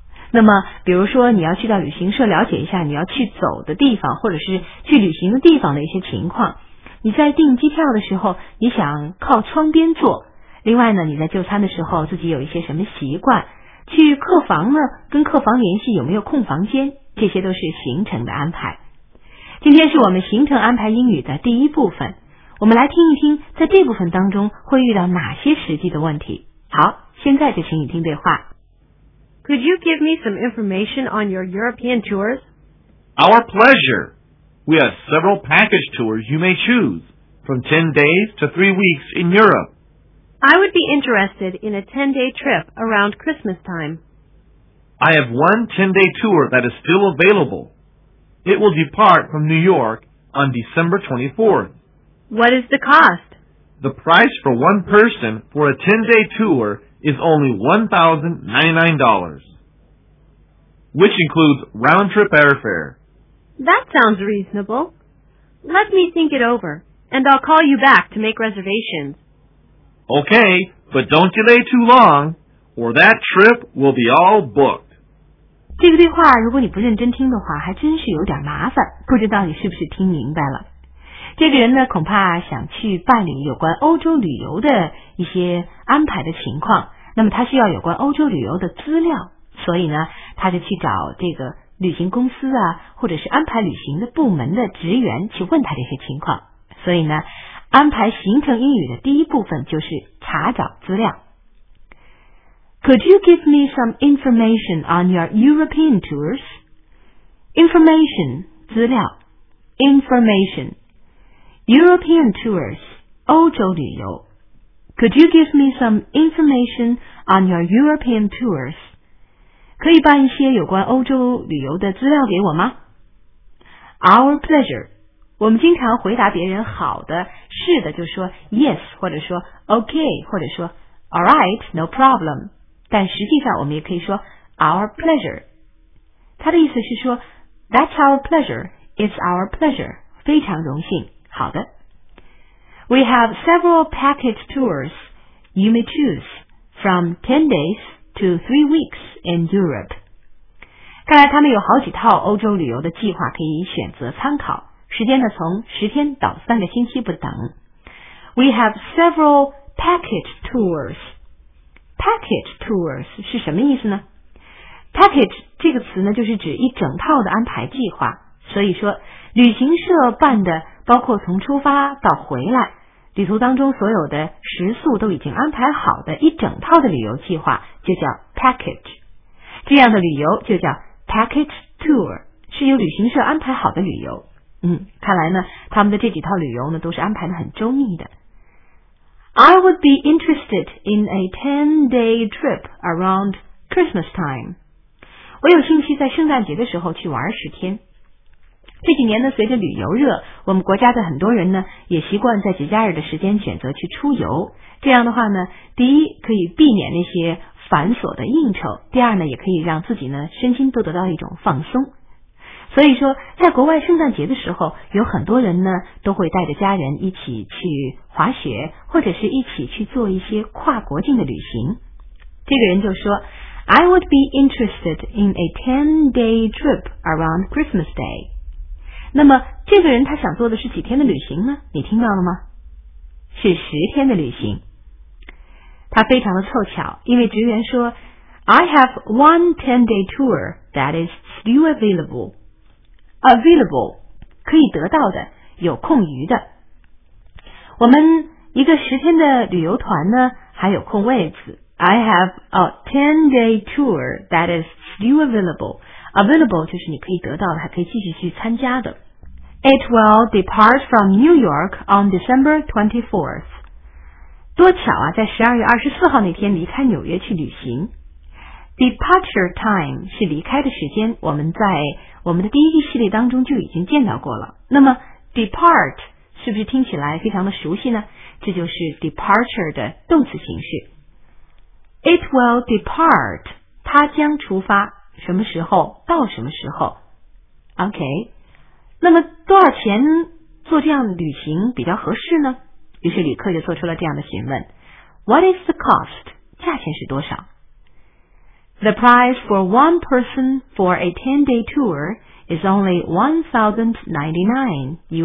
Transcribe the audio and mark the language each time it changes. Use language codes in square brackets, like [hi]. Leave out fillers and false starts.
[zh] 那么比如说你要去到旅行社了解一下你要去走的地方或者是去旅行的地方的一些情况，你在订机票的时候你想靠窗边坐，另外呢你在就餐的时候自己有一些什么习惯，去客房呢跟客房联系有没有空房间，这些都是行程的安排。今天是我们行程安排英语的第一部分，我们来听一听在这部分当中会遇到哪些实际的问题。好，现在就请你听对话。 [en] Could you give me some information on your European tours? Our pleasure. We have several package tours you may choose, from 10 days to 3 weeks in Europe. I would be interested in a 10-day trip around Christmas time. I have one 10-day tour that is still available. It will depart from New York on December 24th. What is the cost? The price for one person for a 10-day tour is only $1,099, which includes round-trip airfare. That sounds reasonable. Let me think it over, and I'll call you back to make reservations. Okay, but don't delay too long, or that trip will be all booked. [zh] 这个对话如果你不认真听的话还真是有点麻烦，不知道你是不是听明白了。这个人呢恐怕想去办理有关欧洲旅游的一些安排的情况，那么他需要有关欧洲旅游的资料，所以呢他就去找这个旅行公司啊或者是安排旅行的部门的职员去问他这些情况。所以呢安排行程英语的第一部分就是查找资料。 [en] Could you give me some information on your European tours? [zh] Information, 资料。 [en] Information. [zh] European tours, 欧洲旅游。 [en] Could you give me some information on your European tours? [zh] 可以办一些有关欧洲旅游的资料给我吗？ [en] Our pleasure. [zh] 我们经常回答别人好的，是的就说 [en] yes, [zh] 或者说 [en] ok, [zh] 或者说 [en] alright, no problem. [zh] 但实际上我们也可以说 [en] our pleasure, [zh] 他的意思是说 [en] that's our pleasure, it's our pleasure, [zh] 非常荣幸。好的。 [en] We have several package tours, you may choose, from 10 days to 3 weeks in Europe. [zh] 看来他们有好几套欧洲旅游的计划可以选择参考，时间呢从10天到3个星期不等。 [en] We have several package tours, [zh] Package tours 是什么意思呢？Package 这个词呢就是指一整套的安排计划，所以说旅行社办的包括从出发到回来旅途当中所有的食宿都已经安排好的一整套的旅游计划就叫 package, 这样的旅游就叫 package tour, 是由旅行社安排好的旅游。嗯，看来呢他们的这几套旅游呢都是安排的很周密的。 [en] I would be interested in a 10-day trip around Christmas time. [zh] 我有兴趣在圣诞节的时候去玩十天。这几年呢，随着旅游热，我们国家的很多人呢，也习惯在节假日的时间选择去出游。这样的话呢，第一，可以避免那些繁琐的应酬；第二呢，也可以让自己呢，身心都得到一种放松。所以说在国外圣诞节的时候有很多人呢都会带着家人一起去滑雪或者是一起去做一些跨国境的旅行。这个人就说 [en] I would be interested in a 10-day trip around Christmas Day. [zh] 那么这个人他想做的是几天的旅行呢？你听到了吗？是十天的旅行。他非常的凑巧，因为职员说 [en] I have one 10-day tour that is still available. [zh] Available, 可以得到的，有空余的。我们一个十天的旅游团呢，还有空位子。 [en] I have a 10-day tour that is still available. [zh] Available 就是你可以得到的，还可以继续去参加的。 [en] It will depart from New York on December 24th. [zh] 多巧啊，在12月24号那天离开纽约去旅行。 Departure time 是离开的时间，我们在我们的第一系列当中就已经见到过了。那么 depart 是不是听起来非常的熟悉呢？这就是 departure 的动词形式。 [en] It will depart, [zh] 它将出发，什么时候，到什么时候。 OK, 那么多少钱做这样的旅行比较合适呢？于是旅客就做出了这样的询问。 [en] What is the cost? [zh] 价钱是多少？ [en] The price for one person for a 10-day tour is only $1,099.